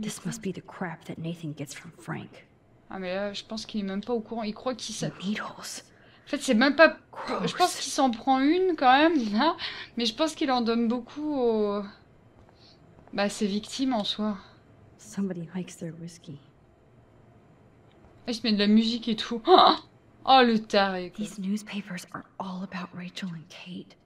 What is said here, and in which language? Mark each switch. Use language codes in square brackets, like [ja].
[en] This must be the crap that Nathan gets from Frank. [fr] Ah, mais là, je pense qu'il est même pas au courant. Il croit qu'il s'est... [en] Needles. [fr] En fait, c'est même pas... Gross. Je pense qu'il s'en prend une, quand même, là. Mais je pense qu'il en donne beaucoup aux... Bah, ses victimes, en soi. [en] Somebody likes their whiskey. [fr] Il se met de la musique et tout. Oh, le taré, quoi. [en] These newspapers are all about Rachel and Kate.